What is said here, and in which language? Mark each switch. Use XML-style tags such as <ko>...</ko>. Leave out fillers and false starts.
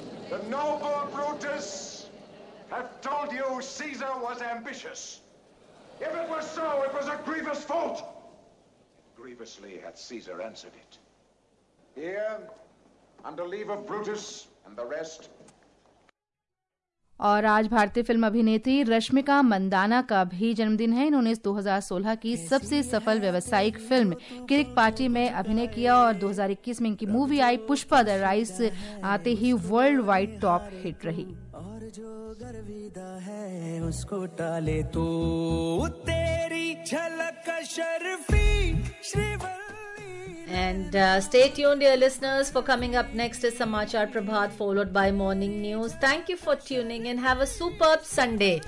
<en>The noble Brutus have told you Caesar was ambitious. If it was so, it was a grievous fault. Grievously hath Caesar answered it. Here, under leave of Brutus and the rest.</en> <hi>और आज भारतीय film अभिनेत्री रश्मिका मंदाना का भी जन्मदिन है। इन्होंने 2016 की सबसे सफल व्यावसायिक फिल्म किरिक पार्टी में अभिनय किया और 2021 में इनकी movie I Pushpa the rice आते ही</hi> <en>world wide top hit</en> <hi>रही। और जो गर्विदा है उसको टाले तो तेरी झलक शर्फी श्रीवल।</hi> <en>And stay tuned, dear listeners, for coming up next is Samachar Prabhat, followed by Morning News. Thank you for tuning in. Have a superb Sunday.</en>